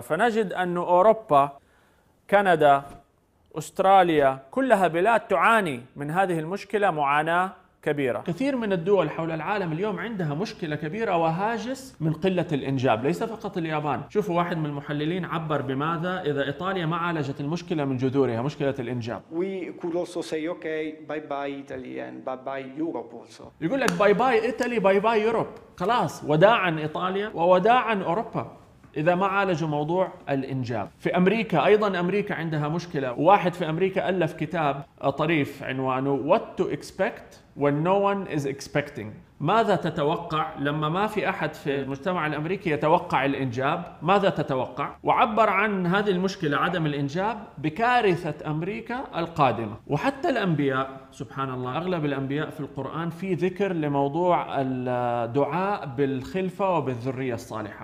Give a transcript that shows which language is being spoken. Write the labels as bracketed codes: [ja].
[ar] فنجد أنه أوروبا، كندا، أستراليا، كلها بلاد تعاني من هذه المشكلة معاناة كبيرة. كثير من الدول حول العالم اليوم عندها مشكلة كبيرة وهاجس من قلة الإنجاب، ليس فقط اليابان. شوفوا واحد من المحللين عبر بماذا إذا إيطاليا ما عالجت المشكلة من جذورها، مشكلة الإنجاب. [en] We could also say okay, bye bye Italy and bye bye Europe also. [ar] يقول لك [en] bye bye Italy, bye bye Europe. [ar] خلاص وداعاً إيطاليا ووداعاً أوروبا إذا ما عالجوا موضوع الإنجاب. في أمريكا أيضاً أمريكا عندها مشكلة. واحد في أمريكا ألف كتاب طريف عنوانه [en] What to expect when no one is expecting. [ar] ماذا تتوقع لما ما في أحد في المجتمع الأمريكي يتوقع الإنجاب؟ ماذا تتوقع؟ وعبر عن هذه المشكلة عدم الإنجاب بكارثة أمريكا القادمة. وحتى الأنبياء سبحان الله، أغلب الأنبياء في القرآن في ذكر لموضوع الدعاء بالخلفة وبالذرية الصالحة.